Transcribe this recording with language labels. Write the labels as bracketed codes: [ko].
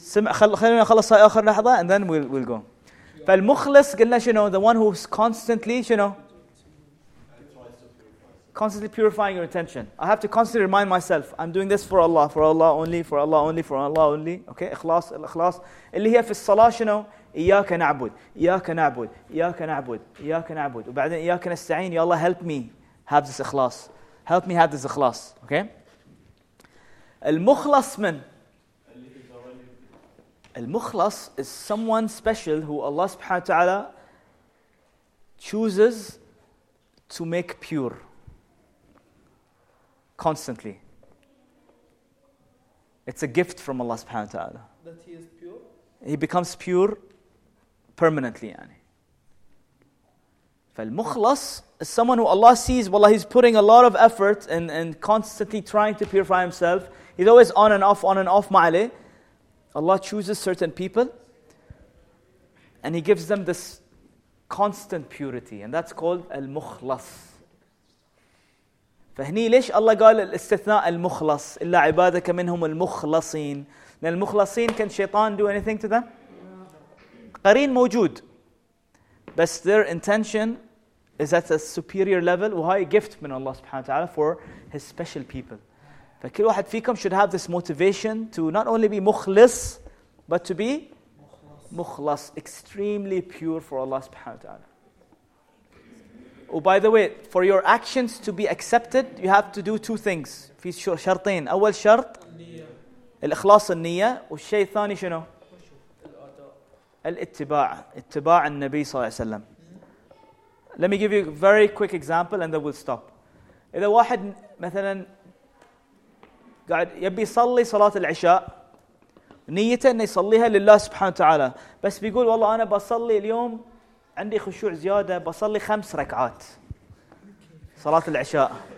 [ar] خلونا نخلص هاي آخر لحظة [en] and then we'll go. [ar] فالمخلص قلنا شنو؟ [en] The one who's constantly [ar] شنو؟ [en] Constantly purifying your intention. I have to constantly remind myself, I'm doing this for Allah, for Allah only, for Allah only, for Allah only. Okay, إخلاص, الإخلاص. [ar] اللي هي في الصلاة شنو؟ إياك نعبد, إياك نعبد, إياك نعبد, إياك نعبد. وبعدين إياك نستعين, يا الله [en] help me have this [ar] إخلاص. [en] Help me have this إخلاص. Okay. [ar] المخلص من؟ [en] المخلص is someone special who Allah subhanahu wa ta'ala chooses to make pure. Constantly. It's a gift from Allah subhanahu wa ta'ala. That he is pure? He becomes pure permanently. [ar] فالمخلص [en] is someone who Allah sees, well, he's putting a lot of effort and constantly trying to purify himself. He's always on and off, ma'aleh. Allah chooses certain people and he gives them this constant purity. And that's called al-mukhlas. [ar] فهني ليش الله قال الاستثناء المخلص إلا عبادك منهم المخلصين. لأن المخلصين [en] can شيطان do anything to them؟ [ar] قرين موجود بس [en] their intention is at a superior level. [ar] وهاي [en] gift [ar] من الله سبحانه وتعالى [en] for his special people. [ar] فكل واحد فيكم [en] should have this motivation to not only be مخلص but to be مخلص, extremely pure for Allah سبحانه وتعالى. Oh, by the way, for your actions to be accepted, you have to do two things. [ar] في شرطين. أول شرط الإخلاص النية. والشيء الثاني شنو؟ الاتباع. اتباع النبي صلى الله عليه وسلم. [en] Let me give you a very quick example and then we'll stop. [ar] إذا واحد مثلا قاعد يبي يصلي صلاة العشاء نيته أن يصليها لله سبحانه وتعالى, بس بيقول والله أنا بصلي اليوم عندي خشوع زيادة بصلي 5 ركعات صلاة العشاء.